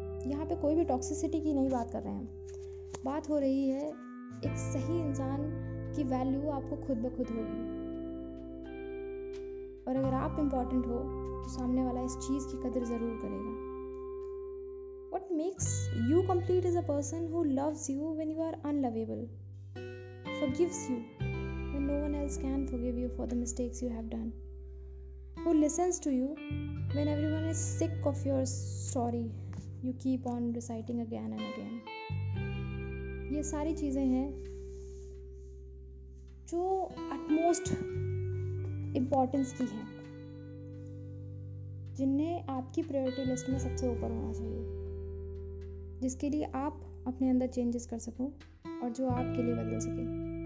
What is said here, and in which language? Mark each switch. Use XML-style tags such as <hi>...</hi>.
<hi>यहाँ पे कोई भी टॉक्सिसिटी की नहीं बात कर रहे हैं, बात हो रही है एक सही इंसान की वैल्यू आपको खुद ब खुद होगी, और अगर आप इम्पॉर्टेंट हो तो सामने वाला इस चीज़ की कदर ज़रूर करेगा।</hi> <en>What makes you complete is a person who loves you when you are unlovable, forgives you when no one else can forgive you for the mistakes you have done, who listens to you when everyone is sick of your story you keep on reciting again and again।</en> <hi>ये सारी चीज़ें हैं जो utmost importance की हैं, जिन्हें आपकी priority list में सबसे ऊपर होना चाहिए, जिसके लिए आप अपने अंदर चेंजेस कर सको और जो आपके लिए बदल सके।</hi>